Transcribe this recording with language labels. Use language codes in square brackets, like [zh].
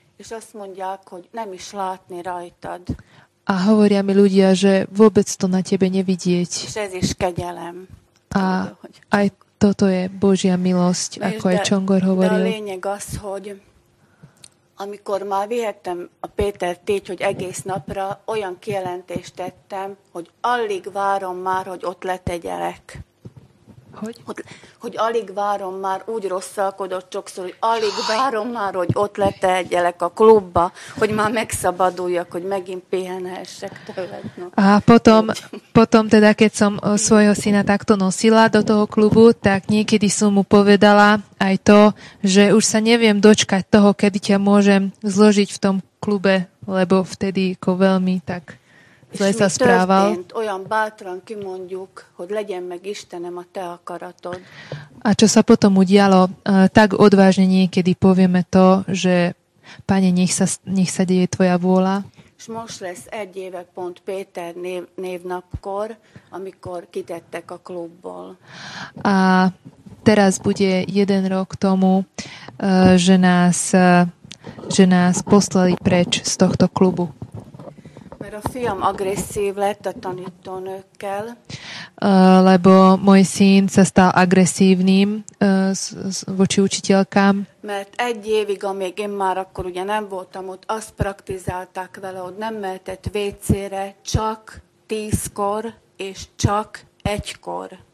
[hu] És azt mondják, hogy nem is látni rajtad. [sk] A hovoria mi ľudia, že vôbec to na tebe nevidieť. [hu] És ez is kegyelem. [sk] A aj toto je Božia milosť, ako aj Čongor hovoril. [hu] De a lényeg az, hogy Amikor már vihettem a Pétert így, hogy egész napra olyan kijelentést tettem, hogy alig várom már, hogy ott letegyelek. Hogy? Hogy alig várom már, úgy rosszalkodott sokszor, hogy alig várom már, hogy ott letegyelek a klubba, hogy már megszabaduljak, hogy megint pihenhessek tőled. No. [sk] A potom, potom teda, keď som svojho syna takto nosila do toho klubu, tak niekedy som mu povedala aj to, že už sa neviem dočkať toho, kedy ťa môžem zložiť v tom klube, lebo vtedy ako veľmi tak... [hu] És mi történt, olyan bátran kimondjuk, hogy legyen meg Istenem a te akaratod. [sk] A čo sa potom udialo, tak odvážne niekedy povieme to, že Pane, nech sa deje tvoja vôľa. [hu] És most lesz egy éve pont Péter névnapkor, amikor kitettek a klubból. [sk] A teraz bude jeden rok tomu, že nás poslali preč z tohto klubu. [hu] Mert a fiam agresszív lett a tanítónőkkel. [sk] Lebo môj syn sa stal agresívnym voči učiteľkám. [hu] Mert egy évig, amíg én már akkor ugye nem voltam ott, azt praktizálták vele, hogy nem mehetett WC-re csak 10-kor és csak 1-kor.